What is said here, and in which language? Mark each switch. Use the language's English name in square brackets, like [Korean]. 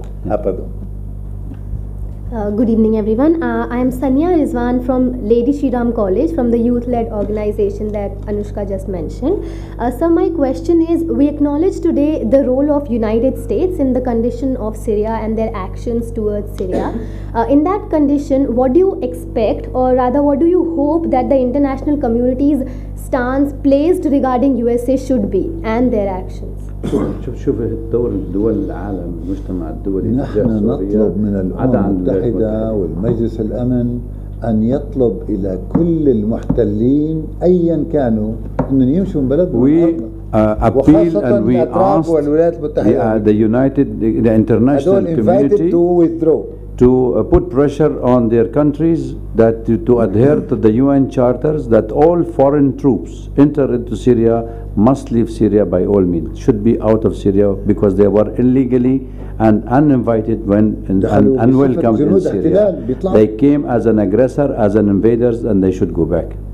[English] good evening everyone I am Sanya Rizwan from Lady Shriram College from the youth led organization that Anushka just mentioned so my question is we acknowledge today the role of United States in the condition of Syria and their actions towards Syria in that condition what do you expect or rather what do you hope that the international community's stance placed regarding USA should be and their actions [Arabic] شوف الدور الدول العالم المجتمع الدولي نحن نطلب من الأمم المتحدة والمجلس الأمن أن يطلب إلى كل المحتلين أيا كانوا أن يمشوا من بلد [English] appeal and we asked the United the international community to put pressure on their countries that to adhere to the UN charters that all foreign troops enter into Syria must leave Syria by all means should be out of Syria because they were illegally and uninvited when and unwelcome in Syria they came as an aggressor as an invaders and they should go back